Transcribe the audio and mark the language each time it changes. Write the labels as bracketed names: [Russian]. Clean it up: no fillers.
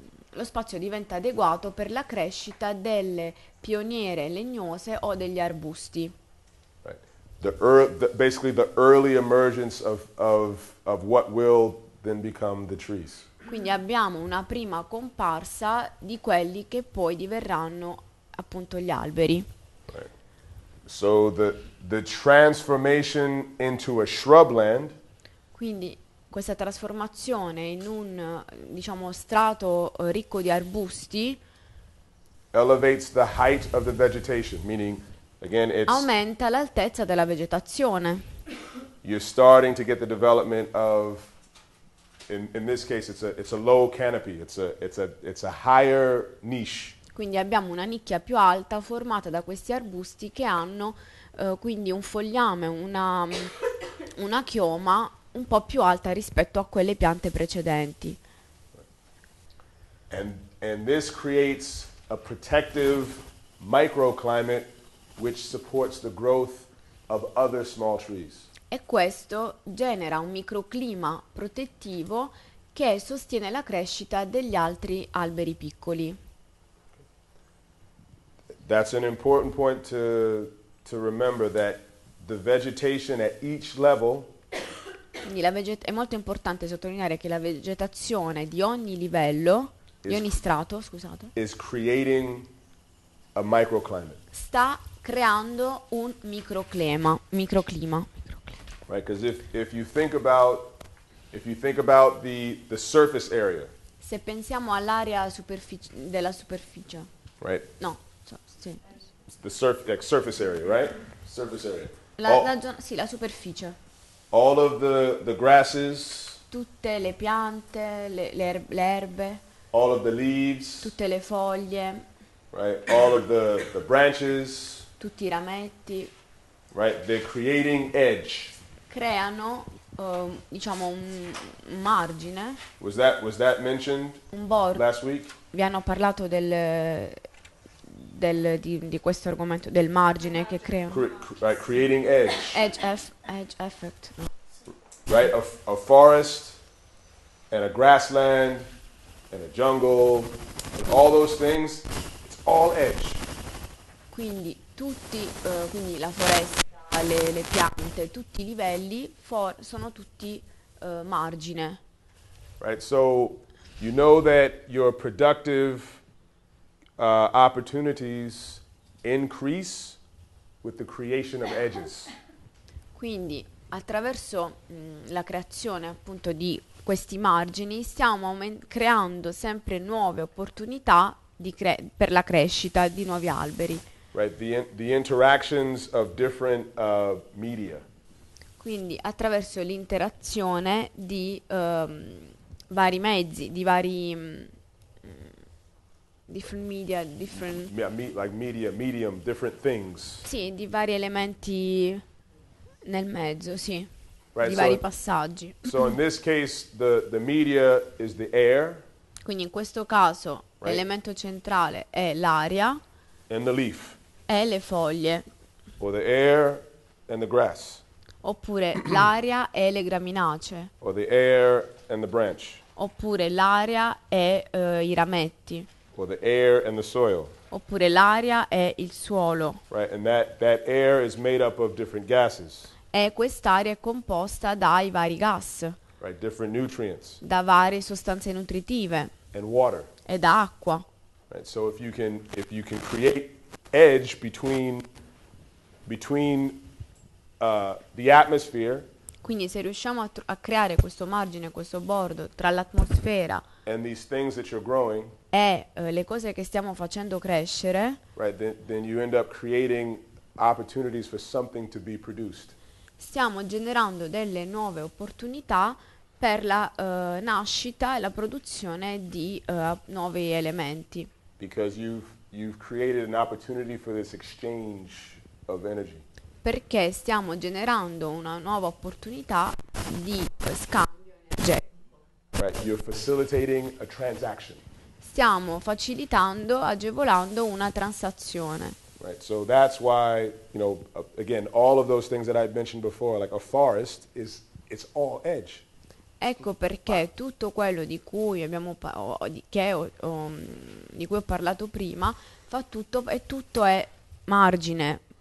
[Italian] Lo spazio diventa adeguato per la crescita delle pioniere legnose o degli arbusti. [English] Right. The early emergence of what will then become the trees. [Italian] Quindi abbiamo una prima comparsa di quelli che poi diverranno appunto gli alberi. [English] Right. So the transformation into a shrubland. [Italian] Quindi questa trasformazione in un diciamo strato ricco di arbusti [English] elevates the height of the vegetation, meaning again it's [Italian] aumenta l'altezza della vegetazione. [English] You're starting to get the development of in this case it's a low canopy, it's a higher niche. [Italian] Quindi abbiamo una nicchia più alta formata da questi arbusti che hanno quindi un fogliame, una chioma un po' più alta rispetto a quelle piante precedenti. [English] And this creates a protective microclimate which supports the growth of other small trees. [Italian] E questo genera un microclima protettivo che sostiene la crescita degli altri alberi piccoli. [English] That's an important point to remember, that the vegetation at each level. [Italian] Quindi è molto importante sottolineare che la vegetazione di ogni livello, di ogni strato, scusate, [English] is creating a microclimate. [Italian] Sta creando un microclima. [English] Right, because if you think about the surface area. [Italian] Se pensiamo all'area della superficie. [English] Right. [Italian] No. Sì. [English] The surface area, right? Surface area. [Italian] La superficie. [English] All of the grasses. [Italian] Tutte le piante, le erbe. [English] All of the leaves, [Italian] tutte le foglie, [English] right? All of the branches, [Italian] tutti i rametti, [English] right? They're creating edge. [Italian] Creano, diciamo, un margine. [English] Was that mentioned [Italian] un bordo. [English] Last week? [Italian] Vi hanno parlato di questo argomento, del margine che creano. [English] Right, creating edge. Edge effect. Right, a forest and a grassland and a jungle, and all those things, it's all edge. [Italian] Quindi tutti, quindi la foresta, le piante, tutti i livelli sono tutti margine. [English] Right, so you know that your productive opportunities increase with the creation of edges. [Italian] Quindi attraverso la creazione appunto di questi margini stiamo creando sempre nuove opportunità per la crescita di nuovi alberi. [English] Right, the interactions of different media. [Italian] Quindi attraverso l'interazione di vari mezzi, di vari [English] different media, different like media, medium, different things. [Italian] Sì, di vari elementi nel mezzo, sì. Right, di vari passaggi. [English] So in this case the media is the air. [Italian] Quindi in questo caso, right, l'elemento centrale è l'aria. [English] And the leaf. [Italian] E le foglie. [English] Or the air and the grass. [Italian] Oppure l'aria e le graminacee. [English] Or the air and the branch. [Italian] Oppure l'aria e i rametti. [English] Or the air and the soil. [Italian] Oppure l'aria e il suolo. [English] Right, and that air is made up of different gases. [Italian] E quest'area è composta dai vari gas, [English] right, different nutrients, [Italian] da varie sostanze nutritive, [English] and water, [Italian] e da acqua. [English] Right, so if you can create edge between the atmosphere, [Italian] quindi se riusciamo a creare questo margine, questo bordo tra l'atmosfera [English] and these things that you're growing, [Italian] e le cose che stiamo facendo crescere, [English] right, then you end up creating opportunities for something to be produced. [Italian] Stiamo generando delle nuove opportunità per la nascita e la produzione di nuovi elementi. [English] Because you've created an opportunity for this exchange of energy. [Italian] Perché stiamo generando una nuova opportunità di scambio energetico. [English] Right, you're facilitating a transaction. [Italian] Stiamo facilitando, agevolando una transazione. [English] Right, so that's why, you know, again, all of those things that I mentioned before, like a forest, it's all edge. [Italian] Ecco perché tutto quello di cui ho parlato prima fa tutto e tutto è margine.